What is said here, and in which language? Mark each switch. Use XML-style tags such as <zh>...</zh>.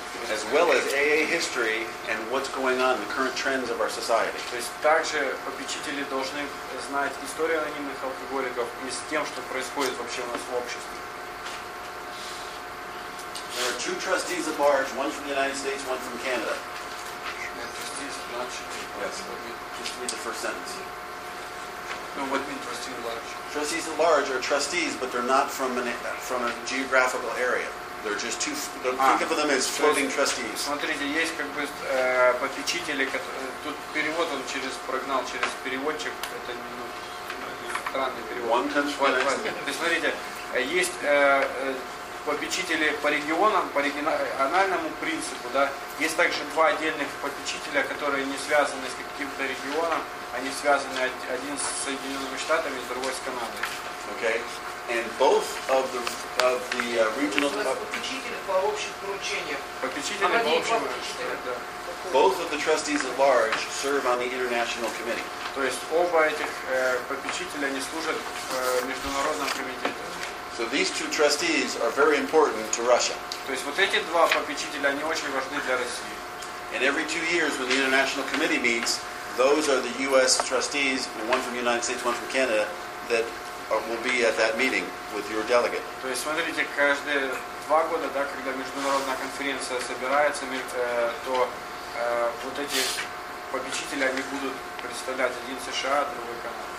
<en>As well as AA history and what's going on, the current trends of our society.</en> <ru>То есть также попечители должны знать историю анонимных алкоголиков и с тем, что происходит вообще у нас в обществе.</ru> <en>There are two trustees at large, one from the United States, one from Canada. Yes. Just read the first sentence. No, what mean trustees at large? Trustees at large are trustees, but they're not from a geographical area. They're just two. Think of them as floating trustees.</en> <ru>Смотрите, есть как бы попечители, которые тут перевод он через прогнал через переводчик. Это странный перевод.</ru> <en>time.</en> <ru>Смотрите, есть попечители по регионам, по региональному принципу, да. Есть также два отдельных попечителя, которые не связаны с каким-то регионом. Они связаны один с Соединенными Штатами, другой с Канадой.</ru> <en>Okay. And both of the regional both of the trustees at large serve on the international committee.</en> <ru>То есть оба этих попечителя они служат в международном комитете.</ru> <en>So these two trustees are very important to Russia.</en> <ru>То есть вот эти два попечителя они очень важны для России.</ru> <en>And every 2 years when the international committee meets, those are the U.S. trustees, one from the United States, one from Canada, that will be at that meeting with your delegate.</en> <ru>То есть смотрите, каждые два года, да, когда международная конференция собирается, то вот эти попечители они будут представлять один США, другой Канада.</ru>